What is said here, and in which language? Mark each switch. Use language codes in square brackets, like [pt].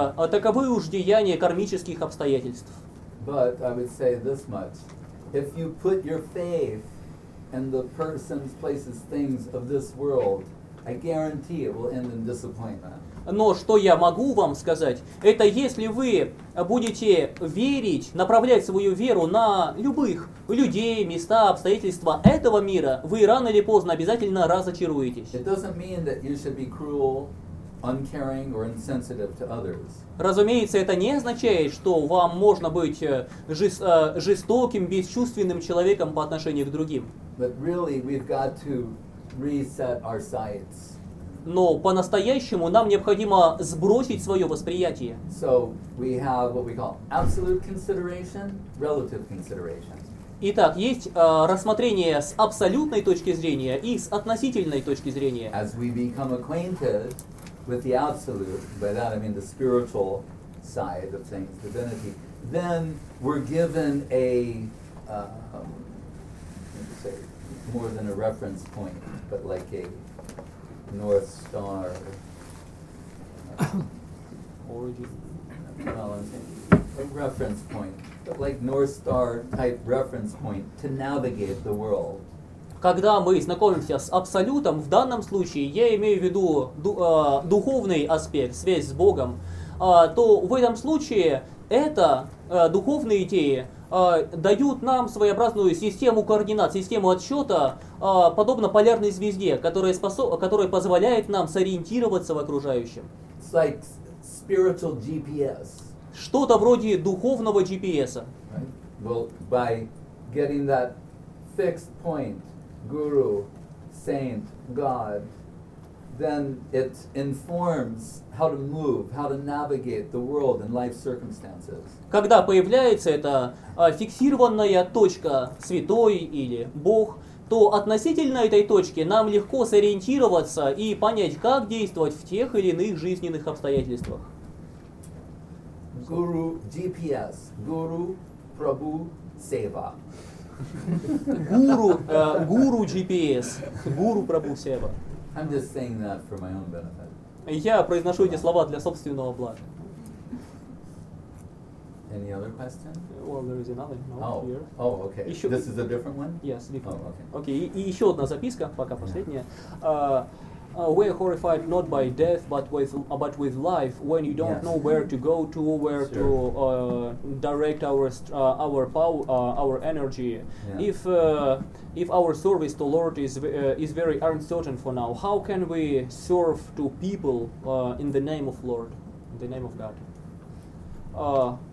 [ru] Таковы уж деяния кармических обстоятельств. [en] But I would say this much. If you put your faith in the person's places, things of this world, I guarantee it will end in disappointment. [ru] Но что я могу вам сказать, это если вы будете верить, направлять свою веру на любых людей, места, обстоятельства этого мира, вы рано или поздно обязательно разочаруетесь. [en] It doesn't mean that you should be cruel, uncaring or insensitive to others. [ru] Разумеется, это не означает, что вам можно быть жестоким, бесчувственным человеком по отношению к другим. [en] But really, we've got to reset our sights. [ru] Но по-настоящему нам необходимо сбросить свое восприятие. [en] So we have what we call absolute consideration, relative consideration. [ru] Итак, есть рассмотрение с абсолютной точки зрения и с относительной точки зрения. [en] As we become acquainted with the absolute, by that I mean the spiritual side of things, divinity, then we're given a, let me say, more than a reference point, but like a North Star. Origin. Well, I'm saying a reference point, but like North Star type reference point to navigate the world. [ru] Когда мы знакомимся с Абсолютом, в данном случае я имею в виду духовный аспект, связь с Богом, то в этом случае это духовные идеи дают нам своеобразную систему координат, систему отсчета, подобно полярной звезде, которая позволяет нам сориентироваться в окружающем. [en] It's like spiritual GPS. [ru] Что-то вроде духовного GPS-а. [en] Right. Well, by getting that fixed point, Guru, saint, God, then it informs how to move, how to navigate the world and life circumstances. [ru] Когда появляется эта фиксированная точка, святой или Бог, то относительно этой точки нам легко сориентироваться и понять, как действовать в тех или иных жизненных обстоятельствах. [en] Guru GPS, Guru Prabhu Seva. [ru] Гуру GPS, гуру Прабху Сева. [en] I'm just saying that for my own benefit. [ru] Я произношу эти слова для собственного блага. [en] Any other question? Well, there is another. Oh, okay. [ru] Еще... [en] This is a different one? Yes, different. Oh, okay. [ru] Okay, и еще одна записка, пока последняя. [en] We're horrified not by death, but with life. When you don't yes. know where to go to, where sure. to direct our power, our energy. Yeah. If our service to Lord is very uncertain for now, how can we serve to people in the name of Lord, in the name of God?